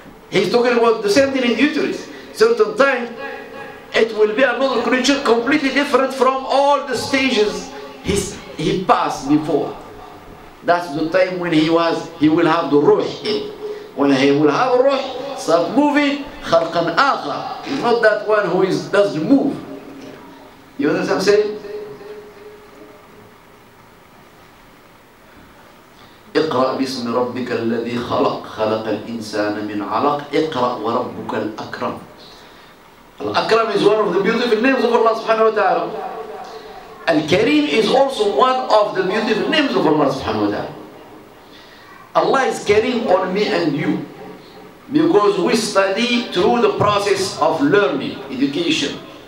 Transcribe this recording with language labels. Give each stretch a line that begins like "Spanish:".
English: He's talking about the same thing in the uterus. Certain time, it will be another creature completely different from all the stages he passed before. That's the time when he will have the ruh in. When he will have a ruh, start moving, khalqan akha. He's not that one who doesn't move. You understand what I'm saying?
Arabic: اقرأ باسم ربك الذي خلق خلق الإنسان من علق اقرأ وربك الأكرم.
English: الأكرم is one of the beautiful names of Allah سبحانه وتعالى. الكريم is also one of the beautiful names of Allah سبحانه وتعالى. Allah is كريم on me and you, because we study through the process of learning, education.